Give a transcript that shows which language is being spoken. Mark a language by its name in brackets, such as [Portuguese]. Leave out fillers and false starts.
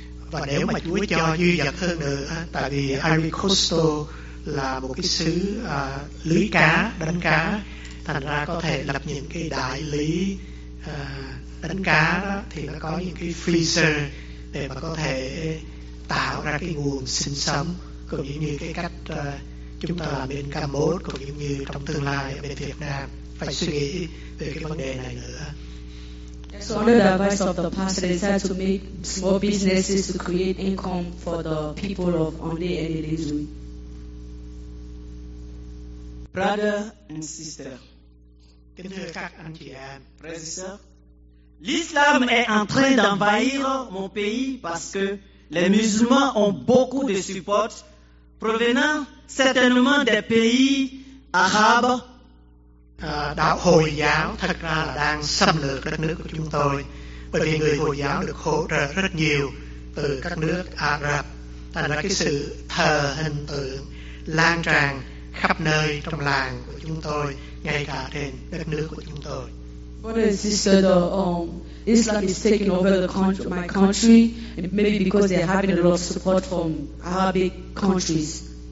[Vietnamese] Và nếu mà Chúa cho dư dật hơn nữa, tại vì Ivory Coast là một cái xứ lưới cá, đánh cá, thành ra có thể lập những cái đại lý đánh cá đó, thì nó có những cái freezer để mà có thể tạo ra cái nguồn sinh sống, cũng như cái cách chúng ta làm bên Campuchia, cũng như trong tương lai ở bên Việt Nam phải suy nghĩ về cái vấn đề này nữa. [English] So under the advice of the pastor, they decided to make small businesses to create income for the people of Andy and Lizui. Brother and sister, [Vietnamese] kính thưa các anh chị em, [French] l'islam est en train d'envahir mon pays parce que les musulmans ont beaucoup de supports provenant certainement des pays arabes. [Vietnamese] Đạo Hồi giáo thật ra là đang xâm lược đất nước của chúng tôi, bởi vì người Hồi giáo được hỗ trợ rất nhiều từ các nước Ả Rập. Thành ra cái sự thờ hình tượng lan tràn khắp nơi trong làng của chúng tôi, ngay cả trên đất nước của chúng tôi. [English] Brother and sister, the Islam is taking over the country, my country, maybe because they're having a lot of support from Arabic countries.